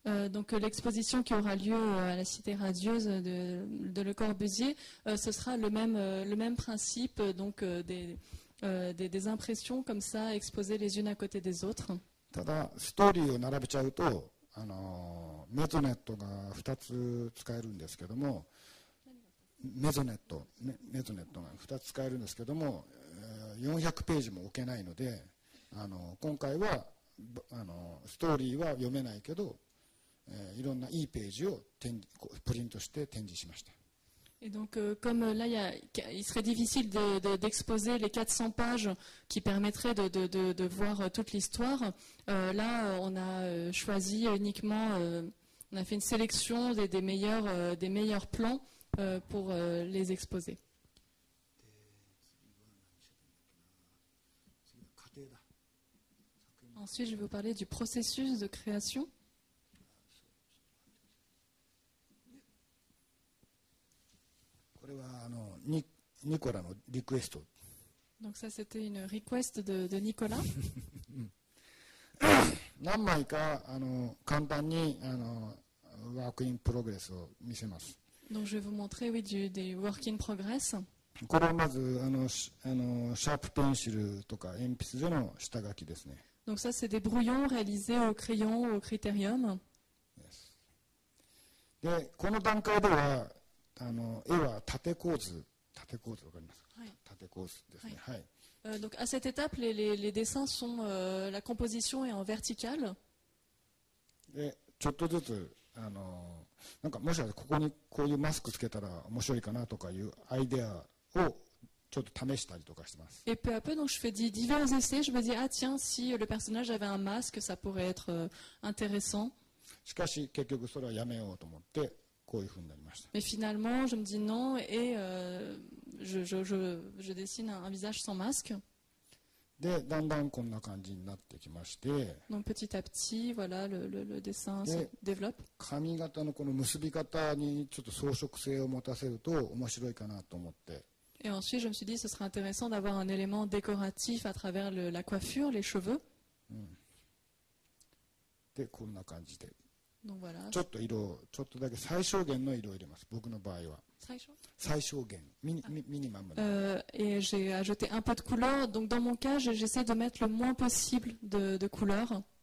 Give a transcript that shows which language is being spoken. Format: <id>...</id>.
<fr>Donc l'exposition qui aura lieu à la Cité radieuse de Le Corbusier, ce sera le même principe, donc des impressions comme ça exposées les unes à côté des autres.</fr> <ja>ただストーリーを並べちゃうとあのメゾネットが2つ使えるんですけどもメゾネットが2つ使えるんですけども400ページも置けないのであの今回はあのストーリーは読めないけどいろんないいページをプリントして展示しました。</ja> <fr>Et donc, comme là, il serait difficile d'exposer les 400 pages qui permettraient de voir toute l'histoire, là, on a choisi uniquement, on a fait une sélection des meilleurs plans pour les exposer. Ensuite, je vais vous parler du processus de création.</fr> <ja>これはあの ニコラのリクエスト。</ja> <fr>Donc ça c'était une request de Nicolas.</fr> <ja>何枚かあの簡単にあのワークインプログレスを見せます。</ja> <fr>Donc je vais vous montrer oui du work in progress.</fr> <ja>これはまずあのシャープペンシルとか鉛筆での下書きですね。</ja> <fr>Donc ça c'est des brouillons réalisés au crayon au critérium.</fr> <en>Yes.</en> <ja>でこの段階ではあの絵は縦構図わかりますか、はい、縦構図ですね、はい、はい。</ja> <fr>Donc à cette étape, les dessins sont la composition est en vertical.</fr> <ja>でちょっとずつあのなんかもしここにこういうマスクつけたら面白いかなとかいうアイデアをちょっと試したりとかしてます。</ja> <fr>Et peu à peu, donc je fais divers essais. Je me dis, ah tiens, si le personnage avait un masque, ça pourrait être intéressant.</fr> <ja>しかし結局それはやめようと思って。こういうふうになりました。</ja> <fr>Mais finalement, je me dis non et je dessine un visage sans masque.</fr> <ja>で、だんだんこんな感じになってきまして。</ja> <fr>Donc petit à petit, voilà, le dessin se développe.</fr> <ja>髪型のこの結び方にちょっと装飾性を持たせると面白いかなと思って。</ja> <fr>Et ensuite, je me suis dit, ce serait intéressant d'avoir un élément décoratif à travers la coiffure, les cheveux.</fr> <ja>で、こんな感じで。</ja> <fr>Donc voilà.</fr> <ja>ちょっと色をちょっとだけ最小限の色を入れます僕の場合は最小限ミニマム</ja> <fr>Et j'ai ajouté un peu de couleur donc dans mon cas j'essaie de mettre le moins possible de couleur</fr>